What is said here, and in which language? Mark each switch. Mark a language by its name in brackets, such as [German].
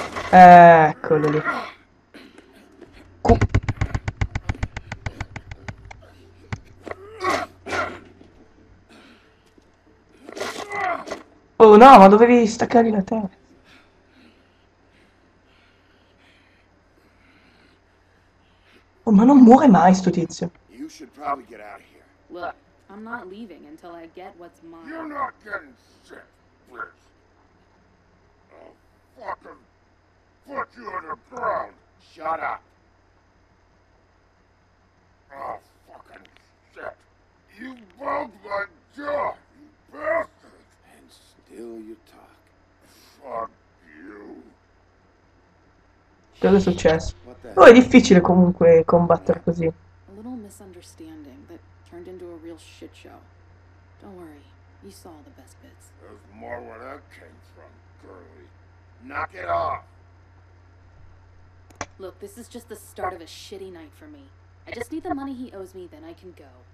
[Italian] Eccolo lì. [English] Thank you. [Italian] Oh no, ma dovevi staccargli la testa. Oh, ma non muore mai sto tizio. [English] You should probably get out of here. Look, I'm not leaving until I get what's mine. You're not getting shit, Fritz. I'll fucking put you in the ground. Shut up. Oh, fucking shit. You broke my jaw, you bastard. And still you talk. Fuck you. [Italian] Cosa è successo? Oh, è difficile comunque combattere così. [English] Misunderstanding that turned into a real shit show. Don't worry, you saw the best bits. There's more where that came from, girlie. Knock it off! Look, this is just the start of a shitty night for me. I just need the money he owes me, then I can go.